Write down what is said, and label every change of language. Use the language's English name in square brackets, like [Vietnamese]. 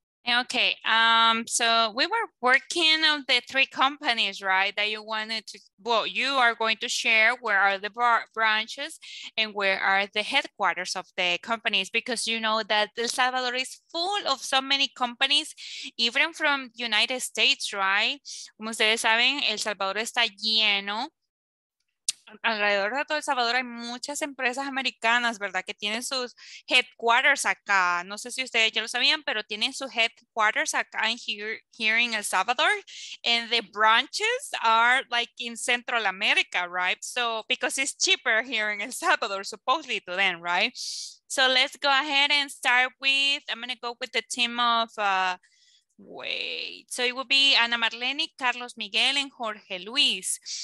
[English] Okay, so we were working on the three companies, right, that you wanted to, well, you are going to share where are the branches and where are the headquarters of the companies, because you know that El Salvador is full of so many companies, even from United States, right? [Spanish] Como ustedes saben, El Salvador está lleno. Alrededor de todo El Salvador hay muchas empresas americanas, ¿verdad? Que tienen sus headquarters acá. No sé si ustedes ya lo sabían, pero tienen sus headquarters acá en [English] here in [Spanish] El Salvador. [English] And the branches are like in Central America, right? So, because it's cheaper here in El Salvador, supposedly to them, right? So let's go ahead and start with, I'm going to go with the team of, wait, so it will be Ana Marlene, Carlos Miguel, and Jorge Luis.